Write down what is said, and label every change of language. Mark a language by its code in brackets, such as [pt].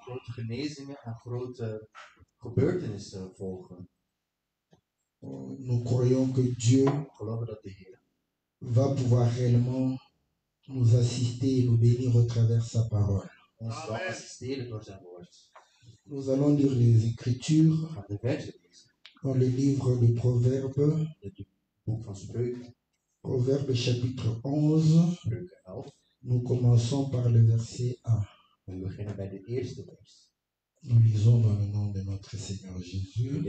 [nl] grote genezingen en grote gebeurtenissen volgen. [fr] Nous croyons que Dieu va pouvoir réellement nous assister et nous bénir au travers sa parole. Amen. Nous allons lire les Écritures dans le livre de Proverbes, Proverbes chapitre 11. Nous commençons par le verset 1. [nl] We beginnen bij de eerste vers. [fr] Nous lisons dans le nom de notre Seigneur Jésus.